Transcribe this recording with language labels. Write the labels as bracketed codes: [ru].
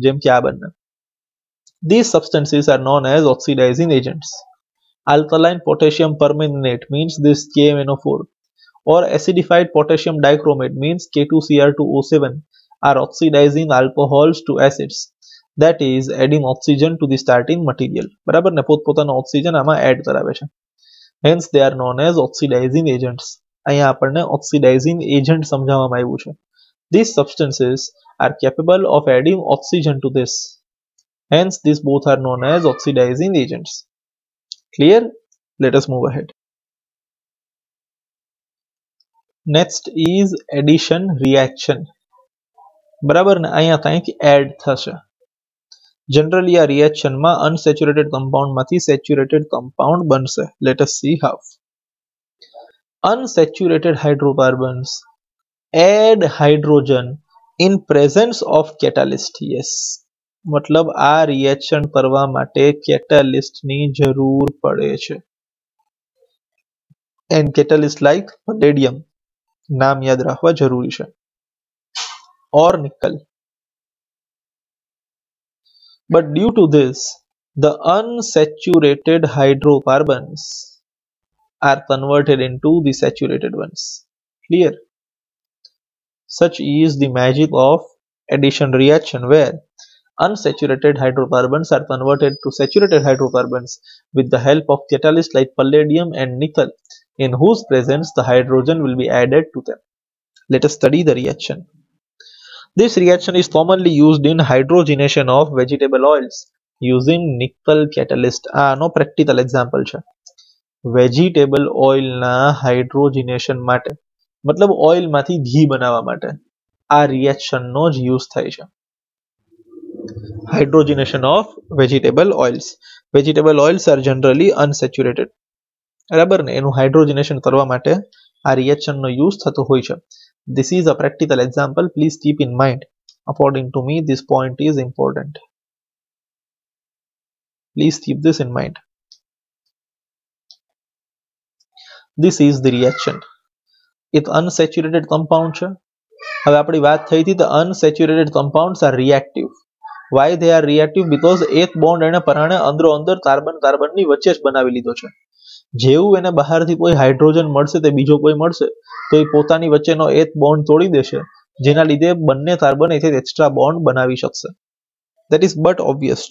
[gu] જેમ કે આ બંને, [en] This substances are known as oxidising agents. Alkaline potassium permanganate means this KMnO4 or acidified potassium dichromate means K2Cr2O7 are oxidising alcohols to acids. That is adding oxygen to the starting material. [gu] બરાબર ને? પોતપોતાનો oxygen આમાં add કરાવે છે. [en] Hence they are known as oxidizing agents. [gu] અહીંયા આપણને oxidising agent સમજાવવામાં આવ્યું છે. [en] These substances are capable of adding oxygen to this. Hence, these both are known as oxidizing agents. Clear? Let us move ahead. Next is addition reaction. [gu] બરાબર ને અહીંયા થાય કે એડ થશે. જનરલી આ રિએક્શનમાં અનસેચ્યુરેટેડ કમ્પાઉન્ડમાંથી સેચ્યુરેટેડ કમ્પાઉન્ડ બનશે. [en] Let us see how. Unsaturated hydrocarbons add hydrogen in presence of catalyst. [gu] Yes, મતલબ આ રિએક્શન કરવા માટે કેટાલિસ્ટની જરૂર પડે છે. [en] and catalyst like palladium, [gu] નામ યાદ રાખવા જરૂરી છે, [en] Or nickel. But due to this the unsaturated hydrocarbons are converted into the saturated ones. Clear? Such is the magic of addition reaction where unsaturated hydrocarbons are converted to saturated hydrocarbons with the help of catalyst like palladium and nickel in whose presence the hydrogen will be added to them. Let us study the reaction. This reaction is commonly used in hydrogenation of vegetable oils using nickel catalyst. [gu] આનો practical example છે vegetable ઓઇલના hydrogenation માટે, મતલબ ઓઇલમાંથી ઘી બનાવવા માટે આ રિએક્શનનો જ use થાય છે. [en] Hydrogenation of vegetable oils. Vegetable oils are generally unsaturated, [gu] બરાબર ને? એનું હાઇડ્રોજિનેશન કરવા માટે આ રિએક્શનનો યુઝ થતો હોય છે. [en] This is a practical example. Please keep in mind. According to me, this point is important. Please keep this in mind. This is the reaction. It unsaturated compound. [gu] હવે આપણી વાત થઈ હતી, [en] the unsaturated compounds are reactive. Why they are reactive? [gu] Because એક bond એને પરાણે અંદરોઅંદર કાર્બન-કાર્બનની વચ્ચે જ બનાવી લીધો છે. જેવું એને બહારથી કોઈ હાઇડ્રોજન મળશે, તે બીજો કોઈ મળશે, તો એ પોતાની વચ્ચેનો એક બોન્ડ તોડી દેશે, જેના લીધે બંને કાર્બન એથી એક્સ્ટ્રા બોન્ડ બનાવી શકશે. [en] That is but obvious.